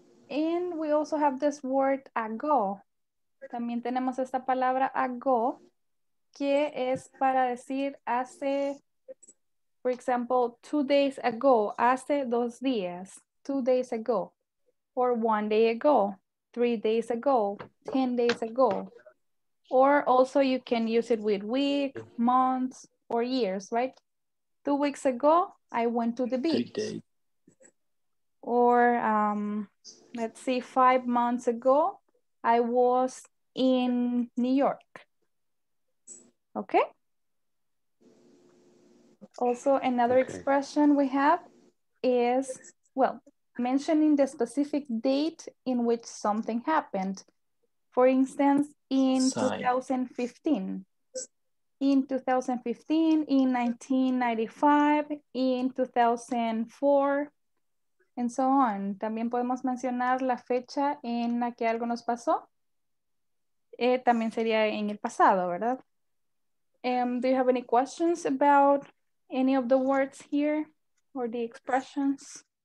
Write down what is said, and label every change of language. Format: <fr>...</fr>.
<en>And we also have this word ago. También tenemos esta palabra ago, que es para decir hace, for example, 2 days ago, hace 2 días, 2 days ago, or 1 day ago, 3 days ago, 10 days ago. Or also you can use it with week, months, or years, right? 2 weeks ago, I went to the beach. Or let's see, 5 months ago, I was in New York. Okay? Also, another expression we have is, well, mentioning the specific date in which something happened. For instance, in 2015. In 2015, in 1995, in 2004, and so on.</en> <es>También podemos mencionar la fecha en la que algo nos pasó. También sería en el pasado, ¿verdad?</es> <en>Do you have any questions about any of the words here or the expressions?</en>